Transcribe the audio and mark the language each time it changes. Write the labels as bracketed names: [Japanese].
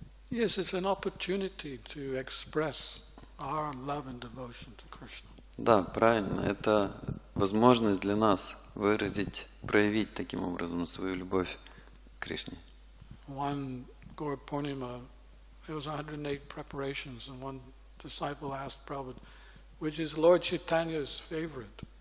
[English] Yes, it's an opportunity to express our love and devotion to Krishna. [Russian] Да, правильно. Это возможность для нас выразить, проявить таким образом свою любовь к Кришне. [English] One Gaur Purnima, there was 108 preparations, and one disciple asked Prabhupada, which is Lord Chaitanya's favorite?